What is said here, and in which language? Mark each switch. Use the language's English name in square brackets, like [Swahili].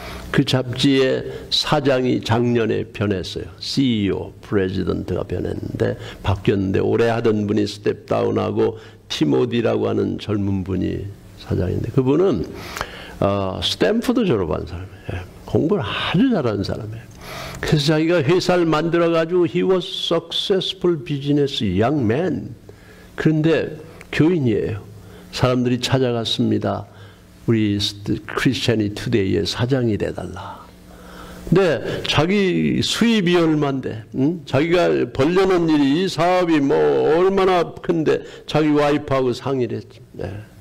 [Korean] 그 잡지의 사장이 작년에 변했어요. CEO, 프레지던트가 변했는데 바뀌었는데 올해 하던 분이 스텝다운하고 티모디라고 하는 젊은 분이 사장인데 그분은 스탠퍼드 졸업한 사람이에요. 공부를 아주 잘하는 사람이에요. 그래서 자기가 회사를 만들어가지고 [English] He was successful business young man. [Korean] 그런데 교인이에요. 사람들이 찾아갔습니다. 우리 크리스천이 투데이의 사장이 돼달라. 근데 자기 수입이 얼만데 응? 자기가 벌려놓은 일이 이 사업이 뭐 얼마나 큰데 자기 와이프하고 상의를 했지. 네.